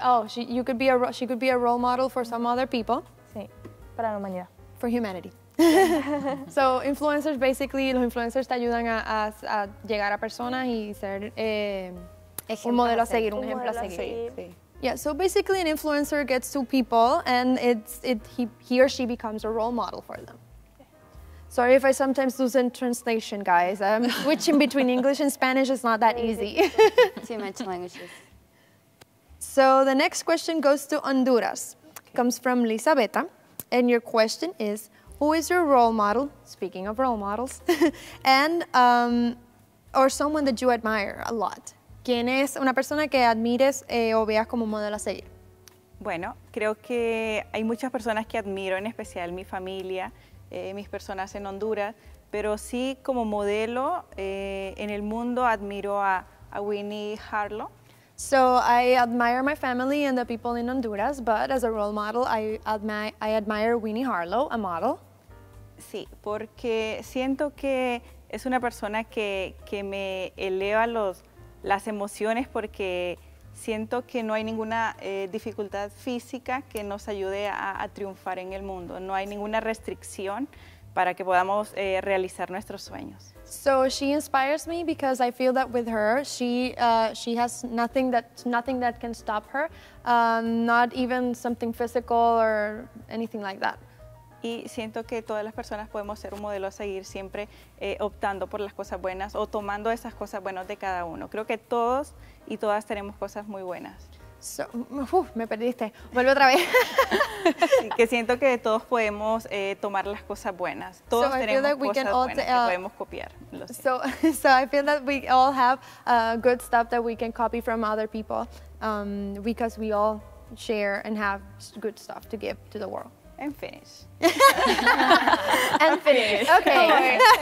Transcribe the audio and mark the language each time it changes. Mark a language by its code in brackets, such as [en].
[en] Oh, she could be a role model for some other people. [es] Sí, para la humanidad. [en] For humanity. So influencers, basically, [es] los influencers te ayudan a llegar a personas y ser un modelo a seguir, un ejemplo a seguir. Sí. [en] Yeah, so basically an influencer gets to people and he or she becomes a role model for them. Sorry if I sometimes lose in translation, guys. Switching between English and Spanish is not that easy. Too much languages. So the next question goes to Honduras. Okay. Comes from Lisabetta. And your question is, who is your role model, speaking of role models, and or someone that you admire a lot? [es] ¿Quién es una persona que admires o veas como modelo a seguir? Bueno, creo que hay muchas personas que admiro, en especial mi familia, mis personas en Honduras, pero sí como modelo en el mundo admiro a Winnie Harlow. [en] So I admire my family and the people in Honduras, but as a role model, I admire Winnie Harlow, a model. [es] Sí, porque siento que es una persona que me eleva las emociones porque siento que no hay ninguna dificultad física que nos ayude a triunfar en el mundo. No hay ninguna restricción para que podamos realizar nuestros sueños. [en] So she inspires me because I feel that with her, she has nothing that can stop her, not even something physical or anything like that. [es] Y siento que todas las personas podemos ser un modelo a seguir siempre optando por las cosas buenas o tomando esas cosas buenas de cada uno. Creo que todos y todas tenemos cosas muy buenas. So, me perdiste. Vuelve otra vez. Que siento que todos podemos tomar las cosas buenas. Todos [en] so [es] tenemos cosas buenas que podemos copiar. [en] So I feel that we all have good stuff that we can copy from other people because we all share and have good stuff to give to the world. And finish. And finish. Okay.